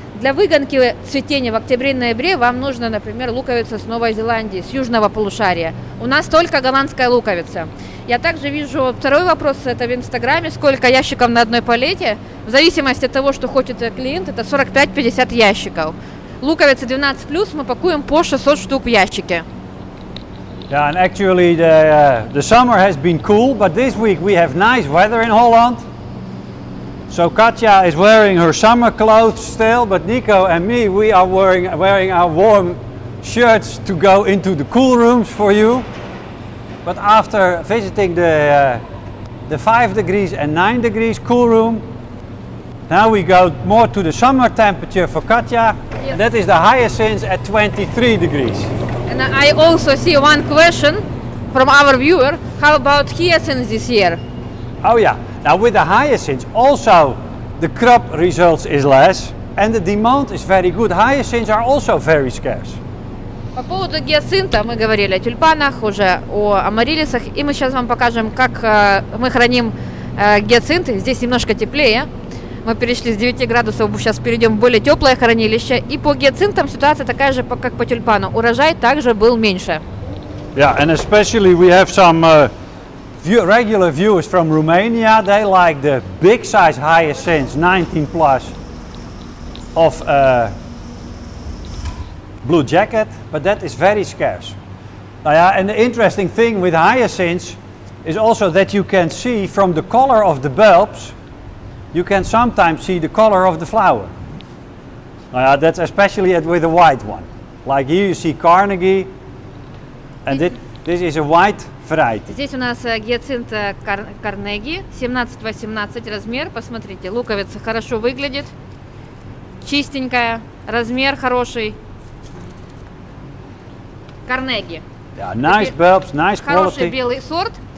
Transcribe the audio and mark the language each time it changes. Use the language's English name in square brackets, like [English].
[Russian] Для выгонки цветения в октябре-ноябре вам нужно, например, луковица с Новой Зеландии, с южного полушария. У нас только голландская луковица. Я также вижу второй вопрос, это в Инстаграме, сколько ящиков на одной палете. В зависимости от того, что хочет клиент, это 45-50 ящиков. Луковицы 12+, мы пакуем по 600 штук в ящике. [English] Yeah, and actually the summer has been cool, but this week we have nice weather in Holland. So Katja is wearing her summer clothes still, but Nico and me, we are wearing our warm shirts to go into the cool rooms for you. But after visiting the 5 degrees and 9 degrees cool room, now we go more to the summer temperature for Katja. Yes. That is the highest since at 23 degrees. And I also see one question from our viewer. How about hyacinths this year? Oh yeah. Now with the hyacinths also the crop results is less and the demand is very good. Hyacinths are also very scarce. [Russian] По поводу гиацинта мы говорили о тюльпанах, уже о амарилисах, и мы сейчас вам покажем, как мы храним гиацинты. Здесь немножко теплее. Мы перешли с 9 градусов, сейчас перейдем в более теплое хранилище. И по гиацинтам ситуация такая же, как по тюльпану. Урожай также был меньше. [English] Yeah, and especially we have some regular viewers from Romania. They like the big size hyacinths, 19+, of blue jacket, but that is very scarce. Now, yeah, and the interesting thing with hyacinths is also that you can see from the color of the bulbs, you can sometimes see the color of the flower. Now, yeah, that's especially with a white one. Like here you see Carnegie, and this is a white variety. [Russian] Здесь у нас гиацинт Карнеги, 17-18 размер. Посмотрите, луковица хорошо выглядит, чистенькая, размер хороший. Карнеги. [English] Yeah, nice bulbs, nice quality. [Russian] Хороший белый сорт.